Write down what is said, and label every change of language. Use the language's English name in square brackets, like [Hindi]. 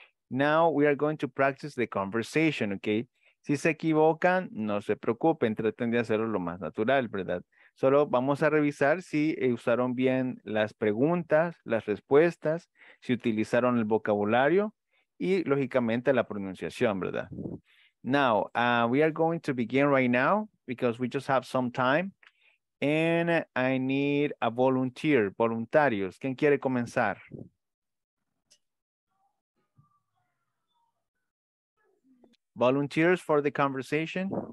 [English] Now we are going to practice the conversation, ok? [Spanish] Si se equivocan, no se preocupen, traten de hacerlo lo más natural, ¿verdad? Solo vamos a revisar si usaron bien las preguntas, las respuestas, si utilizaron el vocabulario y, lógicamente, la pronunciación, ¿verdad? [English] Now, we are going to begin right now because we just have some time and I need a volunteer, voluntarios. [Spanish] ¿Quién quiere comenzar? [English] Volunteers for the conversation.